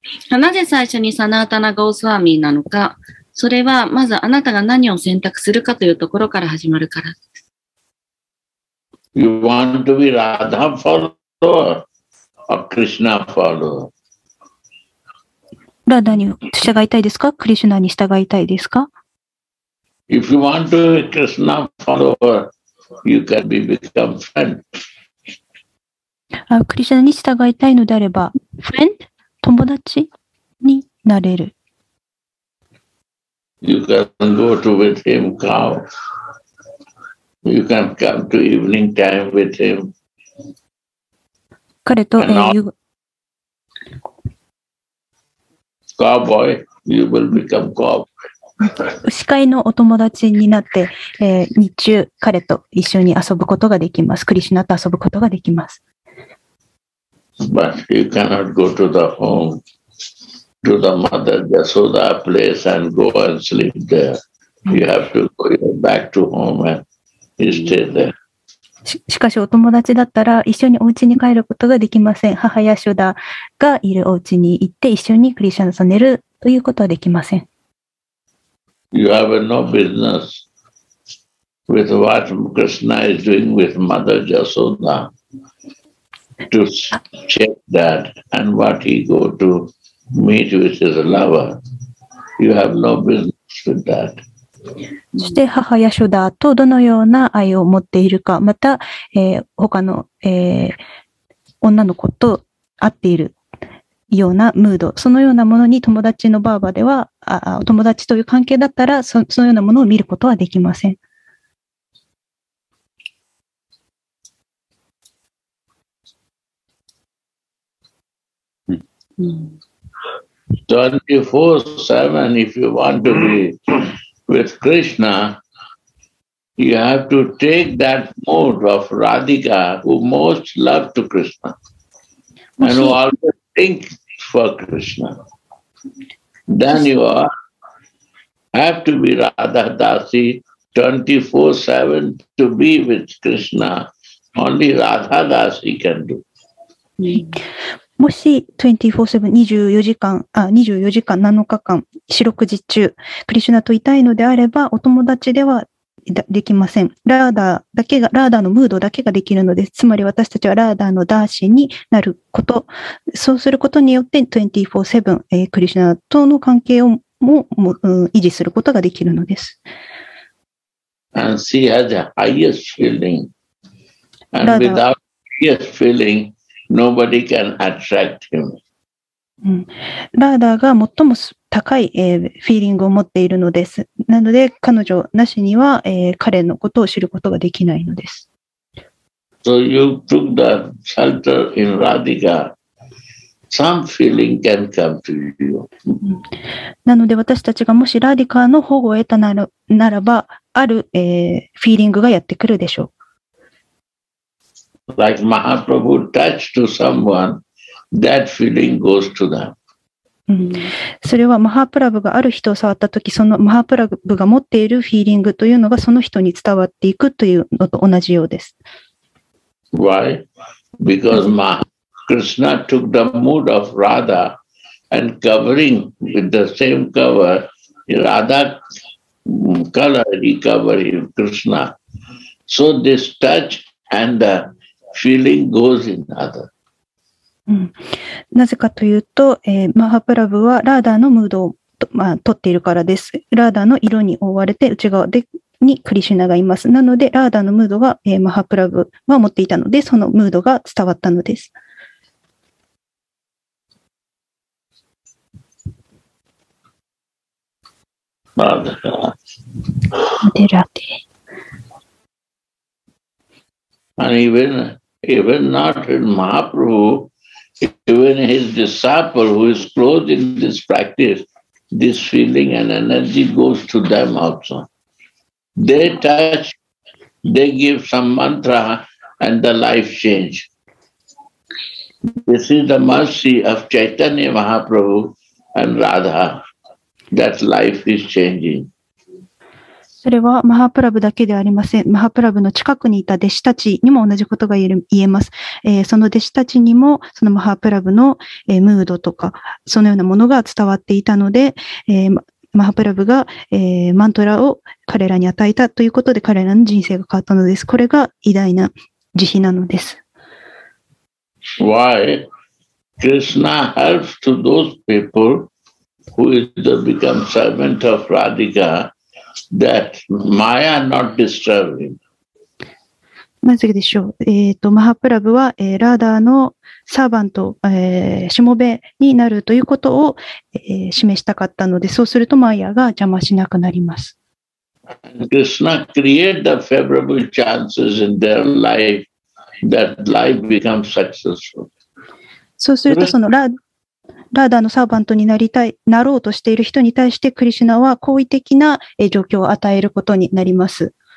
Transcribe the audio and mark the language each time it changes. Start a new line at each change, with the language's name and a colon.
Japanese: なぜ最初にサナタナ・ゴスワミなのか、それはまずあなたが何を選択するかというところから始まるからです。
English: You want to be Radha follower or Krishna follower?
Japanese: ラダに従いたいですか、クリシュナに従いたいですか。
English: If you want to be Krishna follower, you can be become friend.
Japanese: クリシュナに従いたいのであれば、friend 友達になれる。
English: You can go to with him cow. You can come to evening time with him.
Japanese: 彼と夕。
English: Cowboy, you will become cowboy.
Japanese: 司会のお友達になって、日中彼と一緒に遊ぶことができます。クリシュナと遊ぶことができます。
English: But he cannot go to the home, to the mother Yasoda place and go and sleep there. You have to go back to home and stay there.
Japanese: しかしお友達だったら一緒にお家に帰ることができません。母ヤショダがいるお家に行って一緒にクリシュナと寝るということはできません。
English: You have no business with what Krishna is doing with Mother Yasoda. To check that and what he go to meet with his lover. You have no business with that.
Japanese: そして母ヤショダとどのような愛を持っているか、また、他の、女の子と会っているようなムード、そのようなものに友達のバーバでは、友達という関係だったら、そのようなものを見ることはできません。
English: 24/7, if you want to be with Krishna, you have to take that mood of Radhika, who most loved to Krishna, and who always think for Krishna. Then you are, have to be Radha Dasi 24/7 to be with Krishna. Only Radha Dasi can do.
Japanese: もし 24/7、24時間、あ、24時間、7日間、四六時中、クリシュナといたいのであれば、お友達ではできません。ラーダーだけが、ラーダーのムードだけができるのです。つまり私たちはラーダーのダーシになること。そうすることによって 24/7、クリシュナとの関係をも、維持することができるのです。
English: And she has the highest feeling. And without highest feeling,Nobody can attract him.
Japanese: ラーダーが最も高い、フィーリングを持っているのです。なので彼女なしには、彼のことを知ることができないのです。
English: So you took the shelter in Radhika. Some feeling can come to you.
Japanese: なので私たちがもしラディカの保護を得たならば、ある、フィーリングがやってくるでしょう。
English: Like Mahaprabhu touched to someone, that feeling goes to them.
Japanese: それはマハプラブがある人を触ったとき、そのマハプラブが持っているフィーリングというのがその人に伝わっていくというのと同じようです。
English: Why? Because Krishna took the mood of Radha and covering with the same cover, Radha color, he covered Krishna. So this touch and the Feeling goes in other.
Japanese: なぜかというと、マハプラブはラーダーのムードを取っているからです。ラーダーの色に覆われて内側にクリシュナがいます。なのでラーダーのムードは、マハプラブは持っていたので、そのムードが伝わったのです。マハプラブ。ラーダー。
English: Even not in Mahaprabhu, even his disciple who is close in this practice, this feeling and energy goes to them also. They touch, they give some mantra and the life change. This is the mercy of Chaitanya Mahaprabhu and Radha, that life is changing.
Japanese: それはマハプラブだけではありません。マハプラブの近くにいた弟子たちにも同じことが言えます。その弟子たちにも、そのマハプラブの、ムードとか、そのようなものが伝わっていたので、マハプラブが、マントラを彼らに与えたということで、彼らの人生が変わったのです。これが偉大な慈悲なのです。
English: Why? Krishna helps to those people who is the become servant of Radhika. That Maya not disturbing.
Japanese: なぜでしょう。マハプラブは、ラーダーのサーバント、しもべになるということを、示したかったので、そうするとマヤが邪魔しなくなります。
English: Krishna create the favorable chances in their life that life becomes successful.
Japanese: そうするとそのララーダのサーバントになりたい、なろうとしている人に対して、クリシュナは好意的な状況を与えることになります。